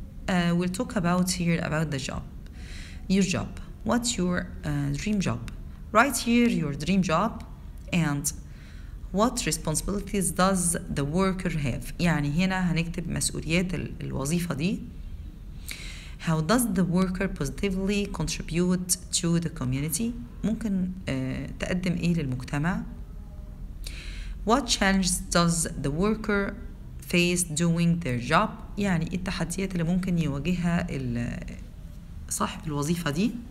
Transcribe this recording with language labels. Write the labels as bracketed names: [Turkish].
[English] We'll talk about here about the job. Your job. What's your dream job? Write here your dream job and what responsibilities does the worker have. [Arabic] يعني هنا هنكتب مسؤوليات الوظيفة دي. [English] How does the worker positively contribute to the community? [Arabic] ممكن تقدم ايه للمجتمع. [English] What challenges does the worker face doing their job? [Arabic] يعني ايه التحديات اللي ممكن يواجهها صاحب الوظيفة دي.